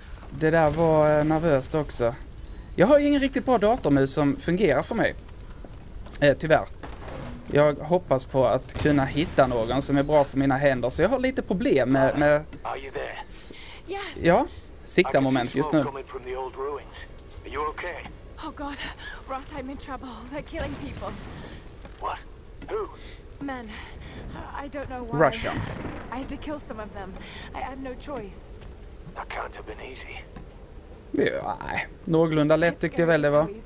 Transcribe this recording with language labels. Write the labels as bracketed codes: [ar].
[sv] Det där var nervöst också. Jag har ingen riktigt bra datormus som fungerar för mig. Tyvärr. Jag hoppas på att kunna hitta någon som är bra för mina händer. Så jag har lite problem med... Ja? Siktarmoment just nu. [en] Oh god, Roth, I'm in trouble. They're killing people. What? Who? Men, I don't know why. Russians. I had to kill some of them. I had no choice. That can't have been easy. [sv] Nej, någorlunda lätt tyckte jag väl det var.